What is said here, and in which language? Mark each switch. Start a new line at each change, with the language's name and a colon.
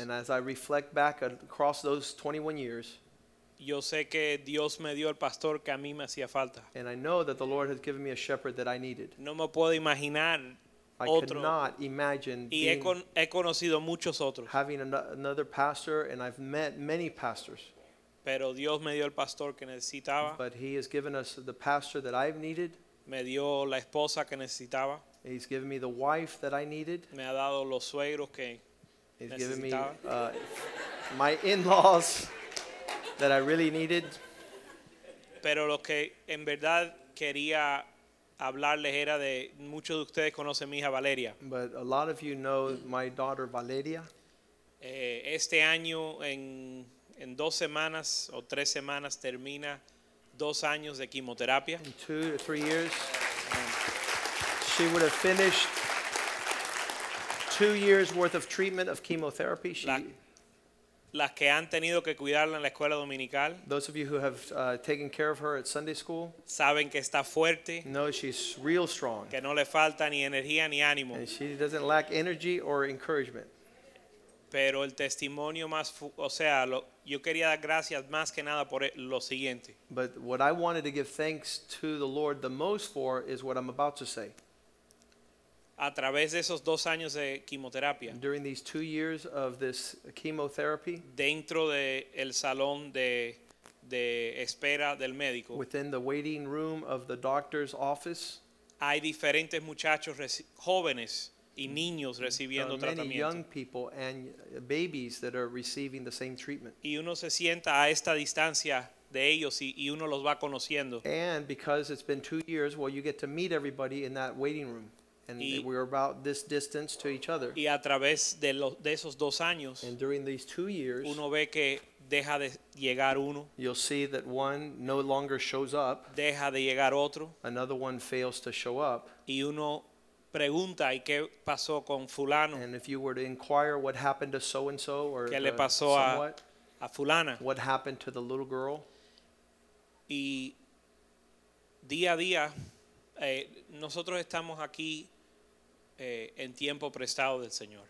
English: And as I reflect back across those 21 years,
Spanish: yo sé que Dios me dio el pastor que a mí me hacía falta.
English: And I know that the Lord has given me a shepherd that I needed.
Spanish: No me puedo imaginar
English: I
Spanish: otro.
English: Could not imagine
Spanish: y
English: being,
Spanish: he conocido muchos otros.
English: Having another pastor, and I've met many pastors.
Spanish: Pero Dios me dio el pastor que necesitaba.
English: But he has given us the pastor that I've needed.
Spanish: Me dio la esposa que necesitaba.
English: He's given me the wife that I needed.
Spanish: Me ha dado los suegros que
English: he's
Spanish: necesitaba.
English: Given me my in-laws that I really needed.
Spanish: Pero lo que en verdad quería hablarles era de muchos de ustedes conocen mi hija Valeria.
English: But a lot of you know my daughter Valeria.
Spanish: Este año en dos semanas o tres semanas termina dos años de quimioterapia.
English: In 2 to 3 years. She would have finished 2 years worth of treatment of chemotherapy.
Spanish: Las que han tenido que cuidarla en la escuela dominical.
English: Those of you who have taken care of her at Sunday school.
Spanish: Saben que está fuerte.
English: No, she's real strong.
Spanish: Que no le falta ni energía ni ánimo.
English: And she doesn't lack energy or encouragement.
Spanish: Pero el testimonio más, o sea, yo quería dar gracias más que nada por lo siguiente.
English: But what I wanted to give thanks to the Lord the most for is what I'm about to say.
Spanish: A través de esos dos años de quimioterapia.
English: During these 2 years of this chemotherapy.
Spanish: Dentro de el salón de espera del médico.
English: Within the waiting room of the doctor's office.
Spanish: Hay diferentes muchachos jóvenes y niños recibiendo tratamiento.
English: Many young people and babies that are receiving the same treatment.
Spanish: Y uno se sienta a esta distancia de ellos y uno los va conociendo.
English: And because it's been 2 years, well, you get to meet everybody in that waiting room. And we were about this distance to each other.
Spanish: Y a través de esos dos años,
English: and during these 2 years,
Spanish: uno ve que deja de llegar uno.
English: You'll see that one no longer shows up.
Spanish: Deja de llegar otro.
English: Another one fails to show up.
Spanish: Y uno pregunta, ¿y qué pasó con fulano?
English: And if you were to inquire what happened to so-and-so or
Spanish: ¿qué le pasó
English: somewhat,
Spanish: a fulana?
English: What happened to the little girl?
Spanish: Y día a día, nosotros estamos aquí en tiempo prestado del Señor.